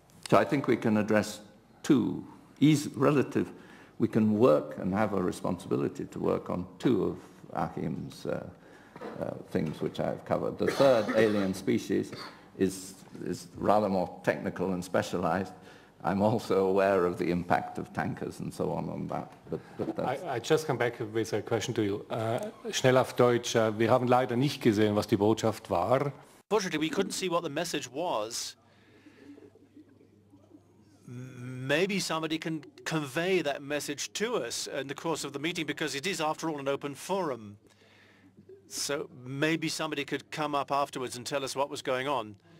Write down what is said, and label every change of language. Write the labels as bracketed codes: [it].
[en] So I think we can address two, we can work and have a responsibility to work on two of Achim's things which I've covered. The third, alien species, is rather more technical and specialized. I'm also aware of the impact of tankers and so on that. I just come back with a question to you. [de] Schnell auf Deutsch, wir haben leider nicht gesehen, was die Botschaft war. [en] Unfortunately, we couldn't see what the message was. Maybe somebody can convey that message to us in the course of the meeting, because it is, after all, an open forum. So maybe somebody could come up afterwards and tell us what was going on.